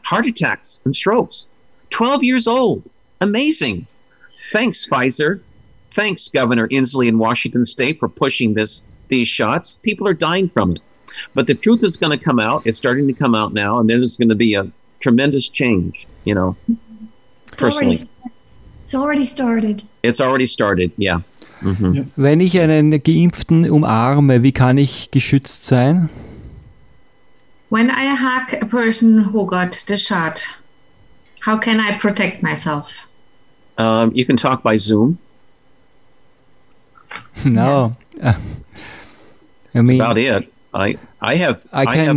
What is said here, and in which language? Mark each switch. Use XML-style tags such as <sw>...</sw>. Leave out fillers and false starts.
<en>Heart attacks and strokes. 12 years old. Amazing. Thanks, Pfizer. Thanks, Governor Inslee in Washington State for pushing these shots. People are dying from it. But the truth is going to come out. It's starting to come out now, and there's going to be a tremendous change, you know, personally. It's already started, yeah. Mm-hmm.</en> <de>Wenn ich einen Geimpften umarme, wie kann ich geschützt sein?</de> <en>When I hug a person who got the shot, how can I protect myself? You can talk by Zoom. No. Yeah. That's about it. I can</en>